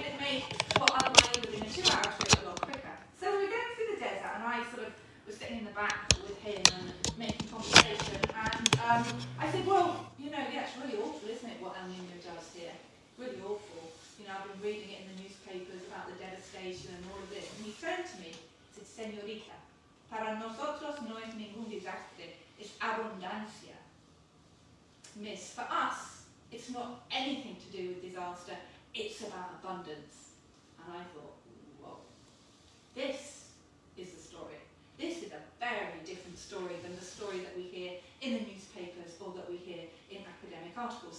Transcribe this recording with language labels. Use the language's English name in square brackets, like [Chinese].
[English] It made what otherwise would have been a 2-hour trip a lot quicker. So we're going through the desert, and I sort of was sitting in the back with him and making conversation. And I said, well, you know, yeah, it's really awful, isn't it, what El Nino does here? Really awful. You know, I've been reading it in the newspapers about the devastation and all of this. And he said to me, [Spanish] Señorita, para nosotros no es ningún desastre, es abundancia. [English] Miss, for us, it's not anything to do with disaster, it's about abundance. And I thought, whoa, this is the story. This is a very different story than the story that we hear in the newspapers or that we hear in academic articles.